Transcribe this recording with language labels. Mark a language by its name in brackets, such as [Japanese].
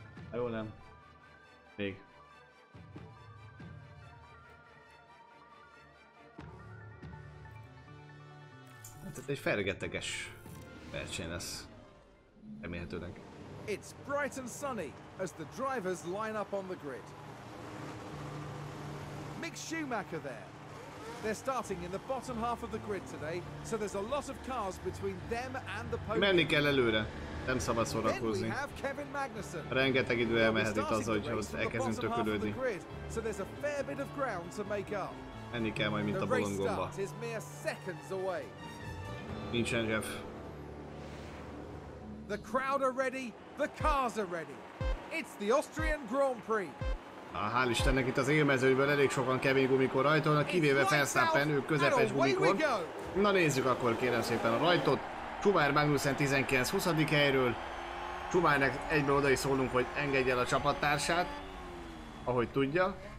[Hungarian] Na jó, nem. Még. Tehát egy fergeteges verseny lesz, remélhetőleg. [English] It's bright and sunny as the drivers line up on the grid. Mick Schumacher there. They're starting in the bottom half of the grid today, so there's a lot of cars between them and the podium. [Hungarian] Menni kell előre, nem szabad szórakozni. Rengeteg idő elmehet itt az, hogy most elkezdünk tökülődni. [English] So there's a fair bit of ground to make up. [Hungarian] Menni kell majd, mint a bolondgomba. [English] The race start is mere seconds away. [Hungarian] Nincsen, Jeff. [English] The crowd are ready, the cars are ready. It's the Austrian Grand Prix. [Hungarian] Ah, hál' Istennek itt az élmezőjből elég sokan kevés gumikor rajtolnak, kivéve Verstappen, ők közepes gumikor. Na nézzük akkor kérem szépen a rajtot. Schumacher Magnussen 19-20. helyről. Schumachernek egyből oda is szólunk, hogy engedje el a csapattársát, ahogy tudja.